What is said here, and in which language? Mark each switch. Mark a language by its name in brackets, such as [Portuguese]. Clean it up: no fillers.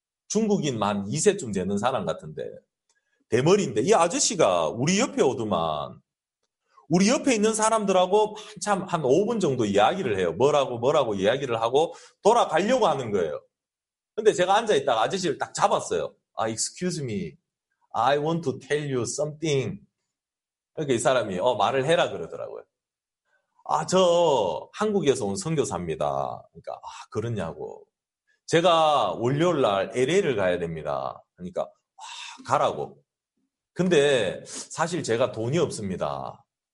[Korean] 중국인 만 2세쯤 되는 사람 같은데. 대머리인데 이 아저씨가 우리 옆에 오더만 우리 옆에 있는 사람들하고 한참 한 5분 정도 이야기를 해요. 뭐라고 이야기를 하고 돌아가려고 하는 거예요. 근데 제가 앉아있다가 아저씨를 딱 잡았어요. [English] 아, excuse me. I want to tell you something. [Korean] 이렇게 이 사람이, 말을 해라 그러더라고요. 아, 저 한국에서 온 선교사입니다. 그러니까, 아, 그러냐고. 제가 월요일 날 LA를 가야 됩니다. 그러니까, 가라고. 근데 사실 제가 돈이 없습니다.